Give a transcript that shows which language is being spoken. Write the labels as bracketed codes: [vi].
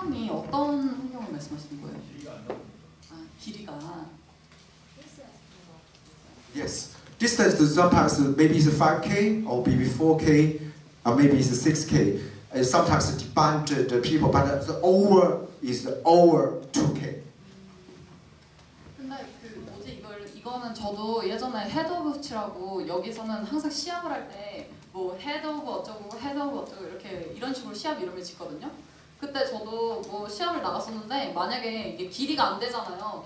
[ko] 어떤 환경을 말씀하시는 거예요? 아, 길이가. [en] Yes. Distance to sometimes maybe it's 5K or maybe 4K or maybe it's 6K. And sometimes it depends on the people, but the over is over 2K. [ko] 근데 그 뭐지 이거는 저도 예전에 [en] head of [ko] 치라고 여기서는 항상 시합을 할 때 뭐 head of 어쩌고 이렇게 이런 식으로 시합 이름을 짓거든요. 그때 저도 뭐 시합을 나갔었는데 만약에 이게 길이가 안 되잖아요.